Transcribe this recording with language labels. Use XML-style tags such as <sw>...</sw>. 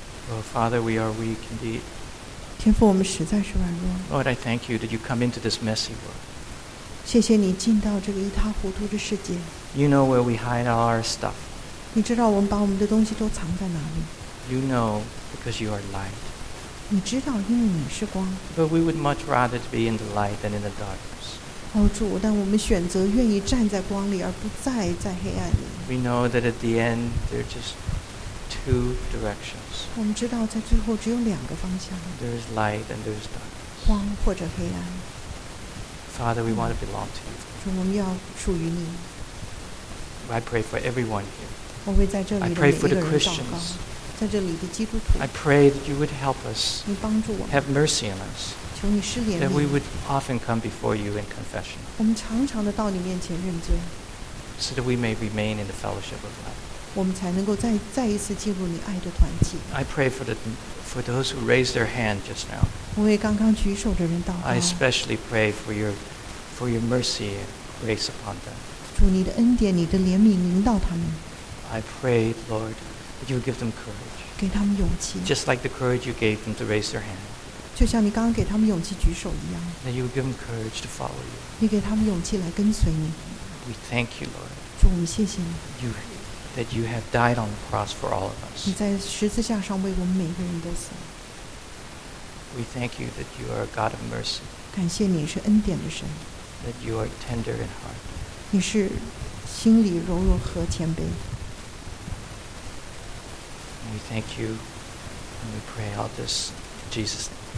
<en>Oh, Father, we are weak indeed.</en> <zh>天父，我们实在是软弱。</zh> <en>Lord, I thank you that you come into this messy world.</en> <zh>谢谢你进到这个一塌糊涂的世界。</zh> <en>You know where we hide all our stuff.</en> <zh>你知道我们把我们的东西都藏在哪里。</zh> <en>You know because you are light.</en> <zh>你知道因为你是光。</zh> <en>But we would much rather be in the light than in the darkness.</en> <zh>哦，主，但我们选择愿意站在光里，而不再在黑暗里。</zh> <en>We know that at the end there are just two directions.</en> <zh>我们知道在最后只有两个方向。</zh> <en>There is light and there is darkness.</en> <zh>光或者黑暗。</zh> <en>Father, we want to belong to you.</en> <zh>主，我们要属于你。</zh> <en>I pray for everyone here.</en> <zh>我会在这里的每一个人祷告。</zh> <en>I pray for the Christians.</en> <zh>在这里的基督徒。</zh> <en>I pray that you would help us.</en> <zh>你帮助我。</zh> <en>Have mercy on us.</en> <zh>求你施怜悯。</zh> <en>That we would often come before you in confession.</en> <zh>我们常常的到你面前认罪。</zh> <en>So that we may remain in the fellowship of love.</en> <zh>我们才能够再一次进入你爱的团契。</zh> <en>I pray for those who raised their hand just now.</en> <zh>我为刚刚举手的人祷告。</zh> <en>I especially pray for your for your mercy and grace upon them.</en> <zh>主你的恩典你的怜悯临到他们。</zh> <en>I pray, Lord, that you give them courage.</en> <zh>给他们勇气。</zh> <en>Just like the courage you gave them to raise their hand.</en> <zh>就像你刚刚给他们勇气举手一样。</zh> <en>That you give them courage to follow you.</en> <zh>你给他们勇气来跟随你。</zh> <en>We thank you, Lord.</en> <zh>主我们谢谢你。</zh> <en>That you have died on the cross for all of us.</en> <zh>你在十字架上为我们每个人都死。</zh> <en>We thank you that you are a God of mercy.</en> <zh>感谢你是恩典的神。</zh> <en>That you are tender in heart.</en> <zh>你是心里柔弱和谦卑。</zh> <en>We thank you and we pray all this in Jesus' name.</en>